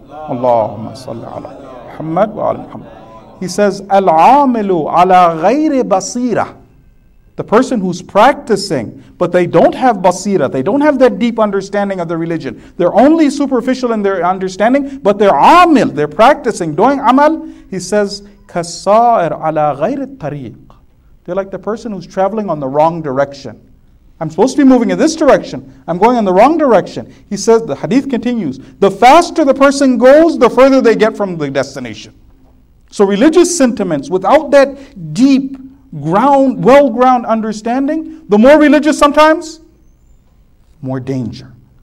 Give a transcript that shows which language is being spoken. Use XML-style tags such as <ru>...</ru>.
<ar>Allahumma salli ala Muhammad wa ala Muhammad.</ar> <en>He says,</en> <ar>Al-Aamilu ala ghayri basira.</ar> <en>The person who's practicing, but they don't have basira, they don't have that deep understanding of the religion. They're only superficial in their understanding, but they're amil, they're practicing, doing amal. He says,</en> <ar>كَالصَّائِرْ عَلَىٰ غَيْرِ الطَّرِيقِ.</ar> <en>They're like the person who's traveling on the wrong direction. I'm supposed to be moving in this direction. I'm going in the wrong direction. He says, the hadith continues, the faster the person goes, the further they get from the destination. So religious sentiments, without that deep ground, well-ground understanding, the more religious sometimes, more danger.</en>